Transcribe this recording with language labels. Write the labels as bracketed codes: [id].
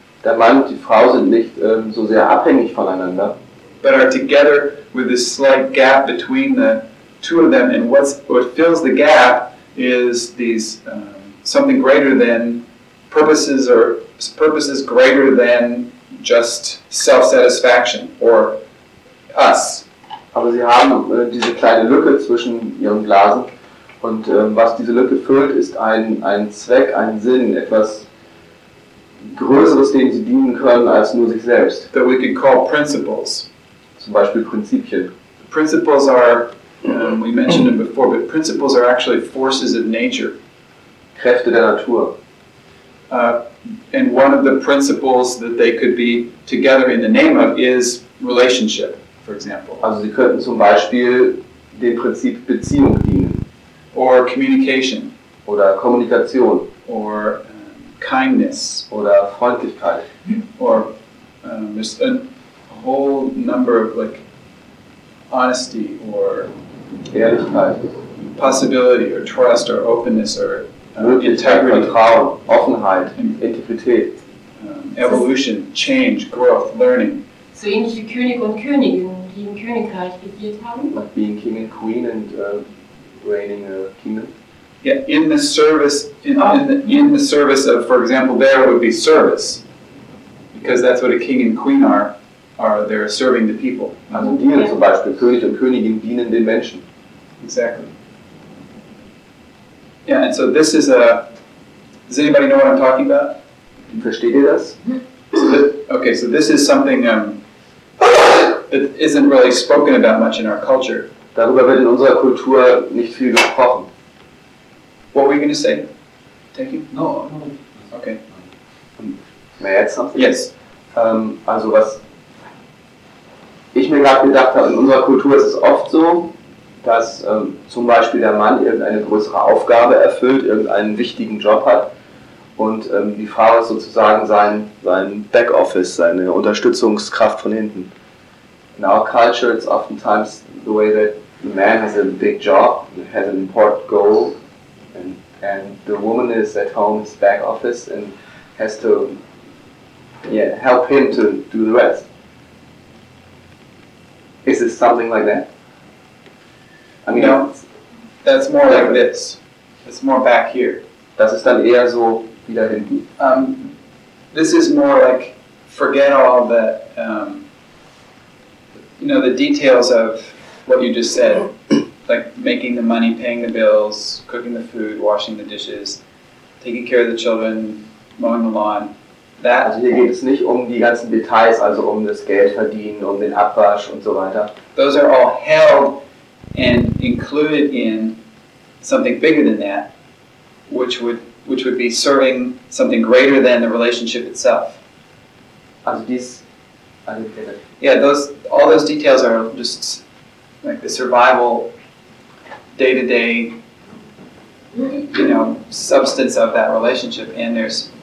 [de] Der Mann und die Frau sind nicht so sehr abhängig voneinander. [en] But are together with this slight gap between the two of them, and what fills the gap is these something greater than purposes greater than just self-satisfaction or us. [de] Aber sie haben diese kleine Lücke zwischen ihren Blasen. Und was diese Lücke füllt, ist ein Zweck, ein Sinn, etwas Größeres, dem sie dienen können, als nur sich selbst. [en] That we could call principles. [de] Zum Beispiel Prinzipien. [en] Principles are, we mentioned them before, but principles are actually forces of nature. [de] Kräfte der Natur. [en] And one of the principles that they could be together in the name of is relationship, for example. [de] Also sie könnten zum Beispiel dem Prinzip Beziehung dienen. [en] Or communication. [de] Oder Kommunikation. [en] Or kindness. [de] Oder Freundlichkeit. [en] Or there's a whole number of like honesty or [de] Ehrlichkeit. [en] Possibility or trust or openness or [de] integrity. Vertrauen, Offenheit, Integrität. [en] Evolution, change, growth, learning. [de] So ähnlich wie König und Königin, die im Königreich regiert haben. [en] Like being king and queen and reigning a kingdom. Yeah, in the service, in the service of, for example, there would be service. Because that's what a king and queen are they're serving the people. [de] Also dienen zum Beispiel, König und Königin dienen den Menschen. [en] Exactly. Yeah, and so this is a, does anybody know what I'm talking about? [de] Versteht ihr das? [en] So this is something that isn't really spoken about much in our culture. [de] Darüber wird in unserer Kultur nicht viel gesprochen. [en] What were you going to say? Thank you. No. Okay. May I add something? Yes. [de] Also was ich mir gerade gedacht habe, in unserer Kultur ist es oft so, dass zum Beispiel der Mann irgendeine größere Aufgabe erfüllt, irgendeinen wichtigen Job hat und die Frau ist sozusagen sein Backoffice, seine Unterstützungskraft von hinten. [en] In our culture it's oftentimes the way that the man has a big job, has an important goal and the woman is at home, his back office and has to help him to do the rest. Is this something like that? I mean, no, that's more like this. It's more back here. [de] Das ist dann eher so wieder hinten. [en] This is more like forget all the the details of what you just said, like making the money, paying the bills, cooking the food, washing the dishes, taking care of the children, mowing the lawn. That [de] also hier geht es nicht um die ganzen Details, also um das Geld verdienen, um den Abwasch und so weiter. [en] Those are all held and included in something bigger than that, which would be serving something greater than the relationship itself. [de] Also dies, also [en] yeah, all those details are just like the survival, day-to-day, substance of that relationship, and there's